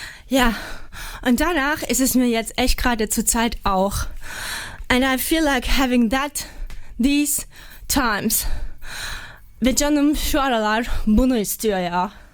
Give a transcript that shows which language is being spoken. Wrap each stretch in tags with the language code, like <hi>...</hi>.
<de>Ja, und danach ist es mir jetzt echt gerade zur Zeit auch.</de> <en>And I feel like having that these times.</en> <tr>Ve canım şu aralar bunu istiyor ya.</tr>